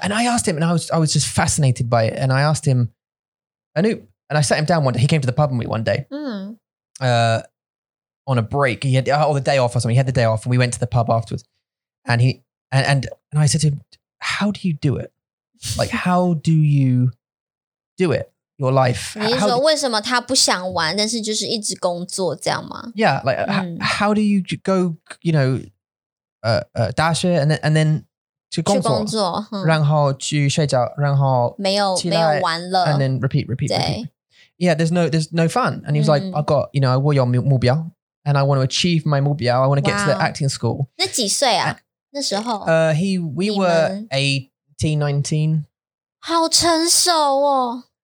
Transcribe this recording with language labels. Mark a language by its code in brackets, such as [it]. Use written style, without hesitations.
[en] And I asked him, and I was just fascinated by it. And I asked him, Anoop, and I sat him down one day. He came to the pub with me one day on a break. He had the day off or something. He had the day off and we went to the pub afterwards. And he and I said to him, how do you do it? Like, how do you do it? Your life. [zh] 你是说为什么他不想玩，但是就是一直工作这样吗？ [en] Yeah, like how do you go, you know, 大学 and then [zh] 去工作然后去睡觉然后没有玩乐 [en] and then repeat yeah there's no fun and he was like I've got you know [zh] 我有目标 [en] and I want to achieve my 目标 I want to get to the acting school [zh] 那几岁啊那时候 [en] we were 18, 19 [zh] 好成熟哦